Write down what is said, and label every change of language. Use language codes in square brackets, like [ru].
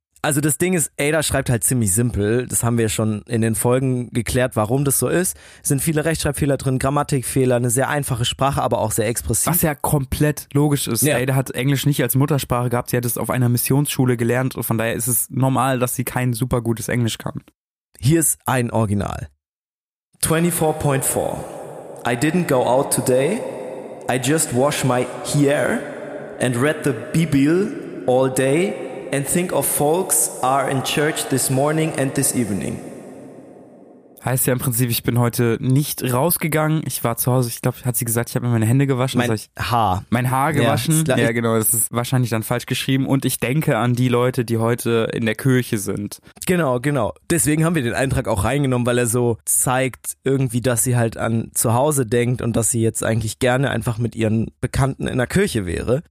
[de] Also das Ding ist, Ada schreibt halt ziemlich simpel, das haben wir schon in den Folgen geklärt, warum das so ist. Es sind viele Rechtschreibfehler drin, Grammatikfehler, eine sehr einfache Sprache, aber auch sehr expressiv. Was ja komplett logisch ist. Ja. Ada hat Englisch nicht als Muttersprache gehabt, sie hat es auf einer Missionsschule gelernt und von daher ist es normal, dass sie kein super gutes Englisch kann. Hier ist ein Original. [en] 24.4 I didn't go out today, I just wash my hair and read the Bibel all day. And think of folks are in church this morning and this evening. [de] Heißt ja im Prinzip, ich bin heute nicht rausgegangen. Ich war zu Hause, ich glaube, hat sie gesagt, ich habe mir meine Hände gewaschen. Mein Haar gewaschen. Ja, genau, das ist wahrscheinlich dann falsch geschrieben. Und ich denke an die Leute, die heute in der Kirche sind. Genau, genau. Deswegen haben wir den Eintrag auch reingenommen, weil er so zeigt irgendwie, dass sie halt an zu Hause denkt und dass sie jetzt eigentlich gerne einfach mit ihren Bekannten in der Kirche wäre.